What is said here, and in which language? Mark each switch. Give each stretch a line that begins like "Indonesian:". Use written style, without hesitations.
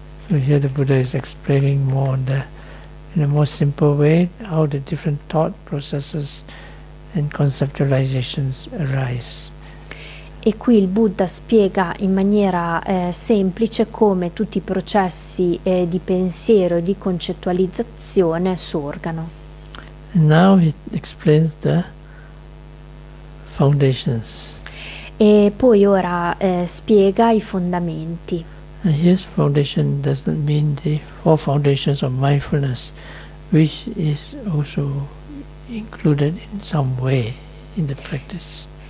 English: So here the Buddha is explaining more on the, in a more simple way how the different thought processes and conceptualizations arise.
Italian: E qui il Buddha spiega in maniera semplice come tutti i processi di pensiero e di concettualizzazione sorgano.
English: And now he explains the foundations.
Italian: E poi ora spiega i fondamenti.
English: And his foundation doesn't mean the four foundations of mindfulness, which is also included in some way in the practice.